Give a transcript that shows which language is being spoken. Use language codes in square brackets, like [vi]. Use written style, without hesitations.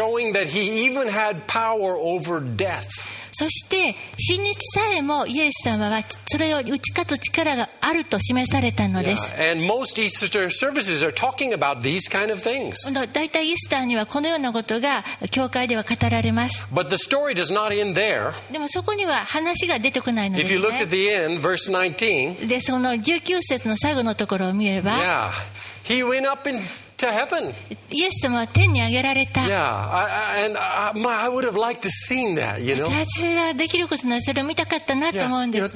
[en] And showing that he even had power over death. [ja] そして死にさえもイエス様はそれを打ち勝つ力があると示されたのです。 [en] Yeah. And most Easter services are talking about these kind of things. [ja] だいたいイースターにはこのようなことが教会では語られます。 [en] But the story does not end there. [ja] でもそこには話が出てこないのですね。 [en] If you look at the end, verse 19. [ja] でその19節の最後のところを見れば、 [en] Yeah, he went up in. To heaven. [ja] イエス様は天に上げられた。 [en] I would have liked to seen that, you know. [ja] 私はできることならそれを見たかったなと思うんです。